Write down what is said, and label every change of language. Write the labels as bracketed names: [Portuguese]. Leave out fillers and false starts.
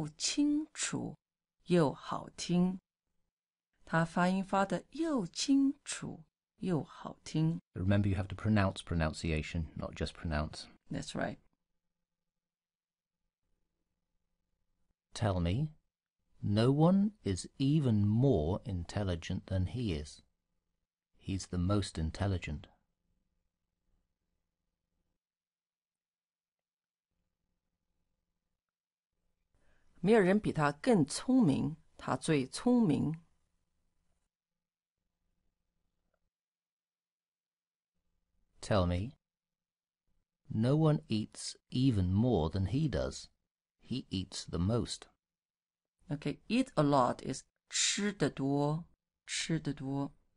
[Chinese] 他发音发得又清楚又好听.他发音发得又清楚又好听. [English] Remember, you have to pronounce pronunciation, not just pronounce. That's right. Tell me. No one is even more intelligent than he is. He's the most intelligent. [Chinese] 没有人比他更聪明,他最聪明. [English] Tell me, no one eats even more than he does. He eats the most. Okay, eat a lot is [Chinese] 吃得多, 吃得多.